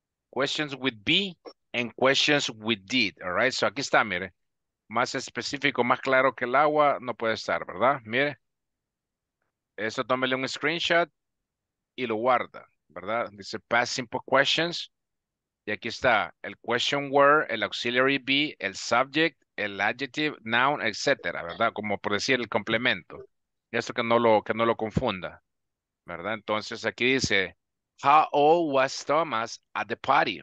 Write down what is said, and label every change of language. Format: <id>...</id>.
<en>Questions with be and questions with did, all right?</en> <es>So aquí está, mire. Más específico, más claro que el agua, no puede estar, ¿verdad? Mire, eso tómele un screenshot y lo guarda, ¿verdad? Dice,</es> <en>past simple questions.</en> <es>Y aquí está, el question word, el auxiliary be, el subject, el adjective, noun, etcétera, ¿verdad? Como por decir, el complemento. Y esto que no lo confunda, ¿verdad? Entonces, aquí dice,</es> <en>how old was Thomas at the party?</en>